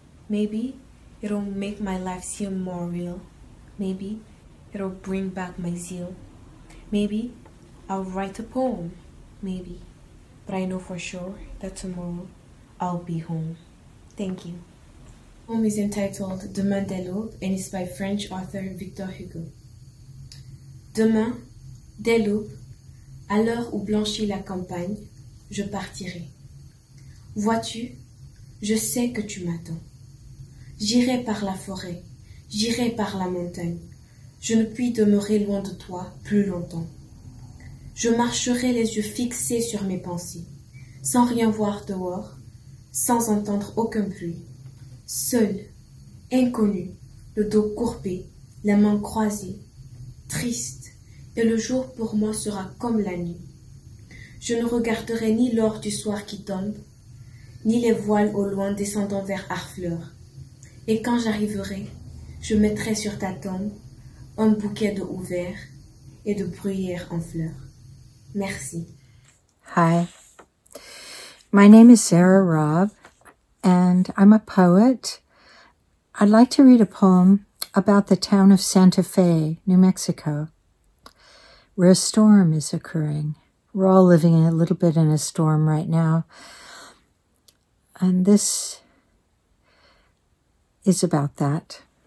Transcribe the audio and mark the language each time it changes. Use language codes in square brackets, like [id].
[en] Maybe it'll make my life seem more real. Maybe it'll bring back my zeal. Maybe I'll write a poem. Maybe. But I know for sure that tomorrow I'll be home. Thank you. The poem is entitled Demain dès l'aube and it's by French author Victor Hugo. [fr] Demain, dès l'aube, à l'heure où blanchit la campagne, je partirai. Vois-tu, je sais que tu m'attends. J'irai par la forêt, j'irai par la montagne. Je ne puis demeurer loin de toi plus longtemps. Je marcherai les yeux fixés sur mes pensées, sans rien voir dehors, sans entendre aucun bruit. Seul, inconnu, le dos courbé, la main croisée, triste, et le jour pour moi sera comme la nuit. Je ne regarderai ni l'or du soir qui tombe, ni les voiles au loin descendant vers Harfleur. Et quand j'arriverai, je mettrai sur ta tombe un bouquet de houverts et de bruyères en fleurs. Merci. [en] Hi. My name is Sarah Robb, and I'm a poet. I'd like to read a poem about the town of Santa Fe, New Mexico, where a storm is occurring. We're all living a little bit in a storm right now. And this is about that.